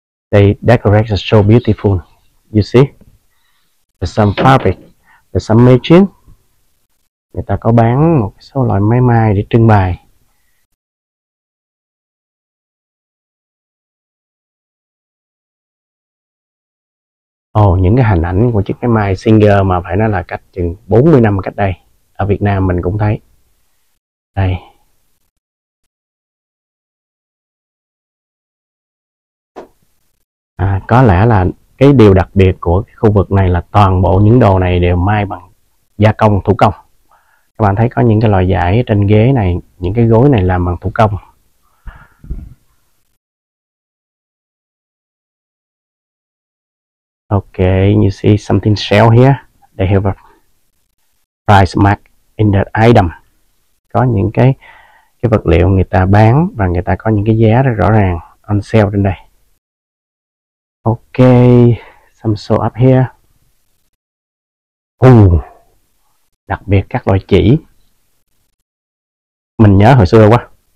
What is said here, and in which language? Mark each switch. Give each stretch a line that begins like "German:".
English: They decorate the show beautiful. You see? There's some fabric, there's some machine.
Vietnamese: Người ta có bán một số loại máy may để trưng bày. Ồ, những cái hình ảnh của chiếc máy may Singer mà phải nói là cách chừng 40 năm cách đây. Ở Việt Nam mình cũng thấy. Đây. À, có lẽ là cái điều đặc biệt của cái khu vực này là toàn bộ những đồ này đều may bằng gia công thủ công. Các bạn thấy có những cái loại vải trên ghế này, những cái gối này làm bằng thủ công.
English: You see something sell here. They have a price mark in the item.
Vietnamese: Có những cái vật liệu người ta bán và người ta có những cái giá rất rõ ràng
English: on sale
Vietnamese: trên đây.
English: Ok, some show up here.
Vietnamese: Đặc biệt các loại chỉ. Mình nhớ hồi xưa quá.